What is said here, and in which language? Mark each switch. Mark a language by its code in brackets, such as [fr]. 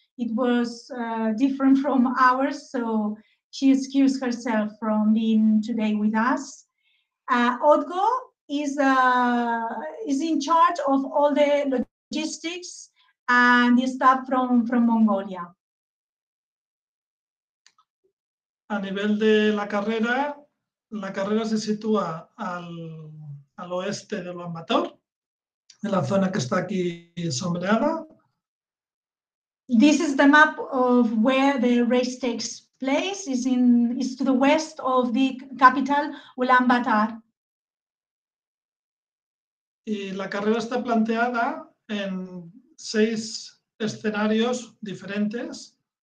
[en] It was different from ours, so she excused herself from being today with us. Odgo is in charge of all the logistics and the staff from Mongolia. [es] A nivel de la carrera se sitúa al oeste de Ulan Bator, en la zona que está aquí sombreada. [en] This is the map of where the race takes place. It's to the west of the capital, Ulan Bator. [es] Y la carrera está planteada en 6 escenarios diferentes.